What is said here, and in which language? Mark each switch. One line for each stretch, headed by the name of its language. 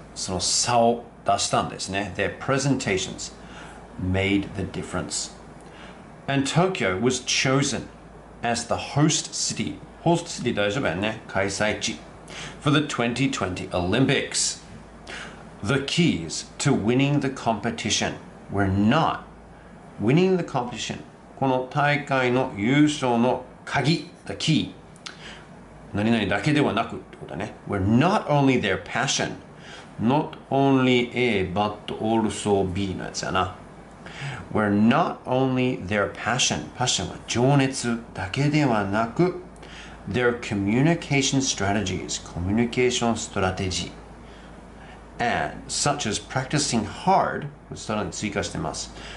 Japanese: その差を出したんですね。
English: Their presentations. Made the difference. And Tokyo was chosen as the host city. Host city
Japanese: 大丈夫やね。開催地。
English: For the 2020 Olympics. The keys to winning the competition were not winning the competition.
Japanese: この大会の優勝の鍵、
English: the key.
Japanese: 何々だけではなくってことだね。
English: Were not only their passion. Not only A, but also B
Japanese: のやつやな。
English: Were not only their passion, passion
Japanese: は情熱だけではなく
English: their communication strategies, communication strategy and such as practicing hard,
Japanese: さらに追加してます。